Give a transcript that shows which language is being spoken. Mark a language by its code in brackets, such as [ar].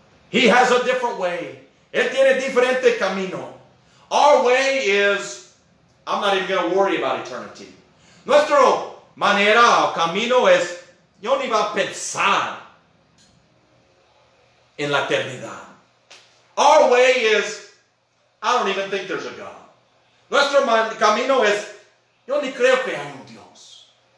[en] He has a different way. [es] Él tiene diferente camino. [en] Our way is, I'm not even going to worry about eternity. [es] Nuestro manera o camino es, yo ni va a pensar en la eternidad. [en] Our way is, I don't even think there's a God. [es] Nuestro camino es, yo ni creo que hay un Dios.